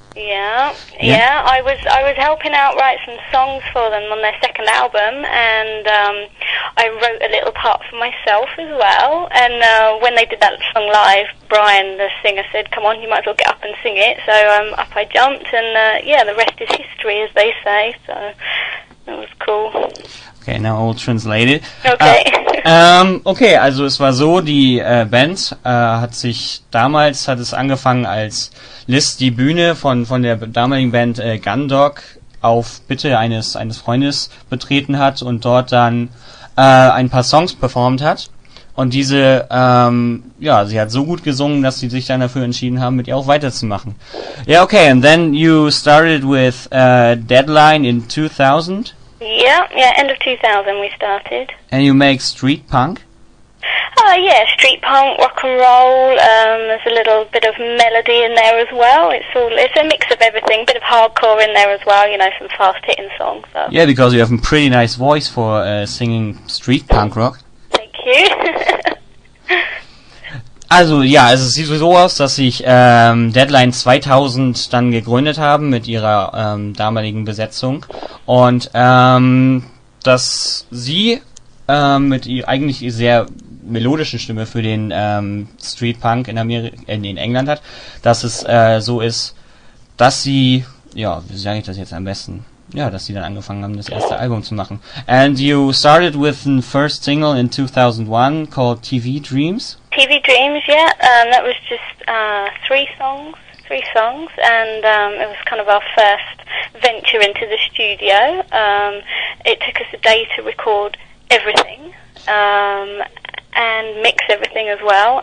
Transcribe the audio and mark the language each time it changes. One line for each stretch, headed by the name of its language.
English: Yeah. I was helping out write some songs for them on their second album, and I wrote a little part for myself as well. And when they did that song live, Brian, the singer, said, come on, you might as well get up and sing it. So up I jumped, and the rest is history, as they say. So it was cool. Okay, now I'll translate it. Okay.
German: Okay, also es war so, die Band hat sich damals, hat es angefangen, als Liz die Bühne von der damaligen Band Gundog auf Bitte eines Freundes betreten hat und dort dann ein paar Songs performt hat. Und diese, sie hat so gut gesungen, dass sie sich dann dafür entschieden haben, mit ihr auch weiterzumachen.
English: Yeah, okay, and then you started with Deadline in 2000. Yeah, end of 2000 we started. And you make street punk? Street punk, rock and roll, there's a little bit of melody in there as well. It's a mix of everything, bit of hardcore in there as well, you know, some fast hitting songs. So. Yeah, because you have a pretty nice voice for singing street punk rock. Thank you.
German: Also ja, also es sieht so aus, dass sich Deadline 2000 dann gegründet haben mit ihrer damaligen Besetzung und dass sie mit ihr eigentlich sehr melodischen Stimme für den Streetpunk in England hat, dass es so ist, dass sie, ja, wie sage ich das jetzt am besten, ja, dass sie dann angefangen haben, das erste Album zu machen.
English: And you started with the first single in 2001 called TV Dreams. TV Dreams, yeah. That was just three songs, and it was kind of our first venture into the studio. It took us a day to record everything and mix everything as well.